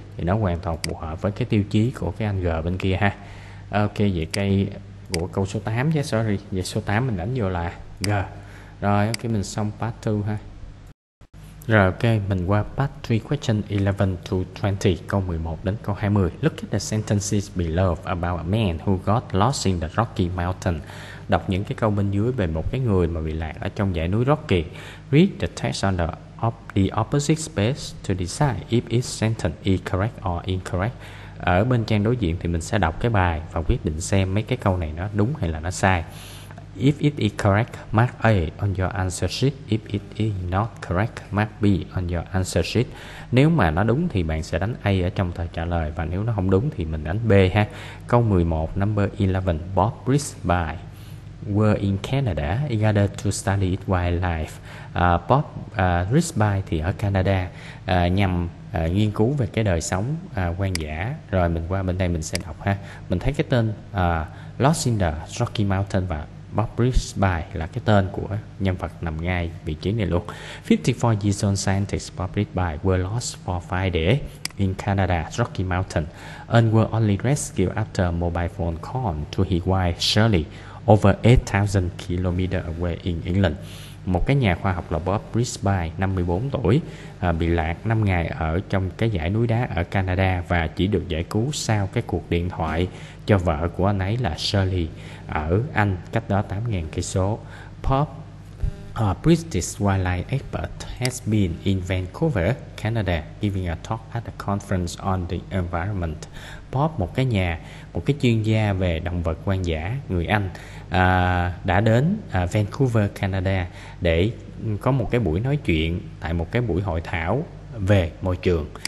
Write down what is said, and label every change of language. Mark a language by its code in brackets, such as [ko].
[vi] Thì nó hoàn toàn phù hợp với cái tiêu chí của cái anh G bên kia ha. Ok, vậy cây của câu số 8 chứ, sorry, vậy số 8 mình đánh vô là G. Rồi, ok, mình xong part 2 ha. Rồi, ok, mình qua part 3, [en] question 11 to 20, [vi] câu 11 đến câu 20. [en] Look at the sentences below about a man who got lost in the Rocky Mountain. [vi] Đọc những cái câu bên dưới về một cái người mà bị lạc ở trong dãy núi Rocky. [en] Read the text on the opposite space to decide if each sentence is correct or incorrect. [vi] Ở bên trang đối diện thì mình sẽ đọc cái bài và quyết định xem mấy cái câu này nó đúng hay là nó sai. [en] If it is correct, mark A on your answer sheet. If it is not correct, mark B on your answer sheet. [vi] Nếu mà nó đúng thì bạn sẽ đánh A ở trong tờ trả lời, và nếu nó không đúng thì mình đánh B ha. Câu 11, [en] number 11, Bob Brisby were in Canada in order to study its wildlife. [vi] Bob Brisby thì ở Canada nhằm nghiên cứu về cái đời sống hoang dã. Rồi mình qua bên đây mình sẽ đọc ha. Mình thấy cái tên Lost in the Rocky Mountain và Bob Brisby là cái tên của nhân vật nằm ngay vị trí này luôn. [en] 54 years old scientist Bob Brisby were lost for 5 days in Canada, Rocky Mountain, and were only rescued after a mobile phone call to his wife Shirley over 8,000 kilometers away in England. [vi] Một cái nhà khoa học là Bob Brisby, 54 tuổi, bị lạc 5 ngày ở trong cái dãy núi đá ở Canada và chỉ được giải cứu sau cái cuộc điện thoại cho vợ của anh ấy là Shirley ở Anh, cách đó 8.000 cây số. [en] Bob, a British wildlife expert, has been in Vancouver, Canada, giving a talk at a conference on the environment. [vi] Bob, một cái chuyên gia về động vật hoang dã, người Anh, đã đến Vancouver, Canada để có một cái buổi nói chuyện tại một cái buổi hội thảo về môi trường.